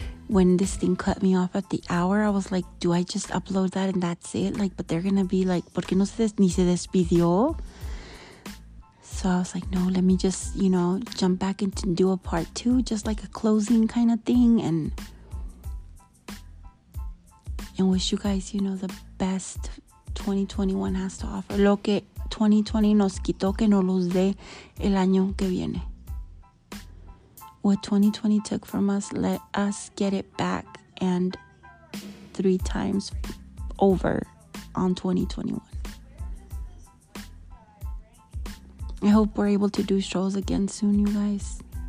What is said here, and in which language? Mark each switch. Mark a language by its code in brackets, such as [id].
[en] When this thing cut me off at the hour, I was like, do I just upload that and that's it? Like, but they're gonna be like, [es] ¿por qué no se ni se despidió? [en] So I was like, no, let me just, you know, jump back into do a part two, just like a closing kind of thing, and wish you guys, you know, the best 2021 has to offer. [es] Lo que 2020 nos quitó que no los dé el año que viene. [en] What 2020 took from us, let us get it back and three times over on 2021. I hope we're able to do shows again soon, you guys.